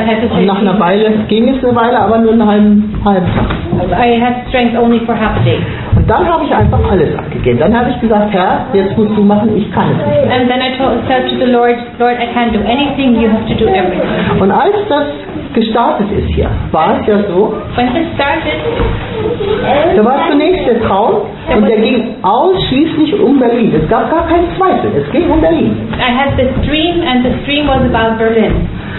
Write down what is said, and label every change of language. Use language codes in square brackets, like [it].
[de] Und nach einer Weile ging es eine Weile, aber nur einen halben Tag. [en] I had strength only for half day. [de] Und dann habe ich einfach alles abgegeben. Dann habe ich gesagt, Herr, jetzt musst du machen, ich kann es nicht. [en] And then I said to the Lord, I can't do anything, you have to do everything. [de] Und als das gestartet ist hier, war es ja so. [en] When it started, [de] da war zunächst der Traum und der ging ausschließlich um Berlin. Es gab gar keinen zweiten, es ging um Berlin. [en] I had this dream and the dream was about Berlin.